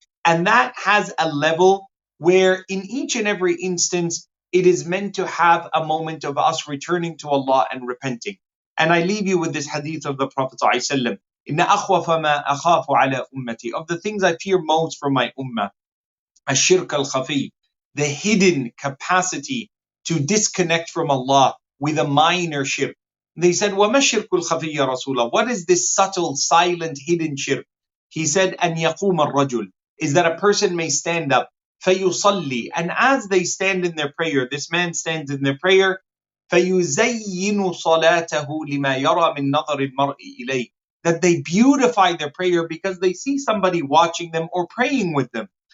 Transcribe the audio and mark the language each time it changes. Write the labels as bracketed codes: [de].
[en] And that has a level where in each and every instance, it is meant to have a moment of us returning to Allah and repenting. And I leave you with this hadith of the Prophet ﷺ, [ar] إِنَّ أَخْوَفَ مَا أَخَافُ عَلَى أُمَّتِي. [en] Of the things I fear most for my ummah, [ar] الشِّرْكَ الْخَفِي, [en] the hidden capacity to disconnect from Allah with a minor shirk. They said, [ar] وَمَا الشِّرْكُ الْخَفِي يَا رَسُولَ. [en] What is this subtle, silent, hidden shirk? He said, [ar] أَنْ يَقُومَ الرَّجُلُ, [en] is that a person may stand up, [ar] فَيُصَلِّي, [en] and as they stand in their prayer, this man stands in their prayer, [ar] فَيُزَيِّنُ صَلَاتَهُ لِمَا يَرَى مِن نَظَرِ الْمَرْءِ إِلَيْهِ, [en] that they beautify their prayer because they see somebody watching them or praying with them.